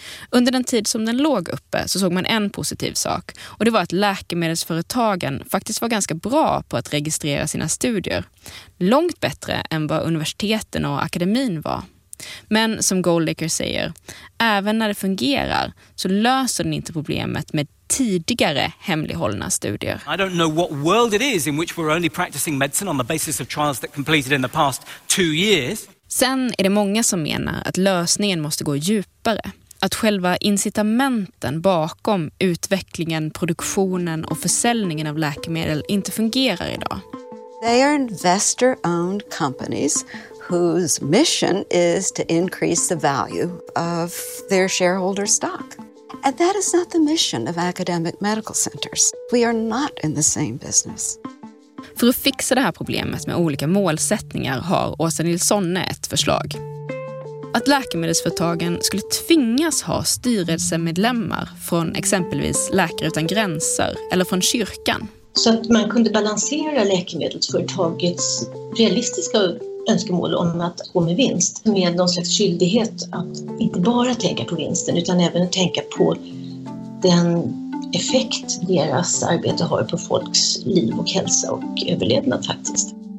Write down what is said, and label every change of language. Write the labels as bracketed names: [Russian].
[Swedish] Under den tid som den låg uppe så såg man en positiv sak, och det var att läkemedelsföretagen faktiskt var ganska bra på att registrera sina studier. Långt bättre än vad universiteten och akademin var. Men som Goldacre säger, även när det fungerar så löser den inte problemet med tidigare hemlighållna studier. [English] I don't know what world it is in which we're only practicing medicine on the basis of trials that completed in the past 2 years. [Swedish] Sen är det många som menar att lösningen måste gå djupare. Att själva incitamenten bakom utvecklingen, produktionen och försäljningen av läkemedel inte fungerar idag. [English] They are investor-owned companies whose mission is to increase the value of their shareholder stock. And that is not the mission of academic medical centers. We are not in the same business. [Swedish] För att fixa det här problemet med olika målsättningar har Åsa Nilsson ett förslag. Att läkemedelsföretagen skulle tvingas ha styrelsemedlemmar från exempelvis Läkare utan gränser eller från kyrkan. Så att man kunde balansera läkemedelsföretagets realistiska önskemål om att gå med vinst med någon slags skyldighet att inte bara tänka på vinsten utan även tänka på den effekt deras arbete har på folks liv och hälsa och överlevnad faktiskt.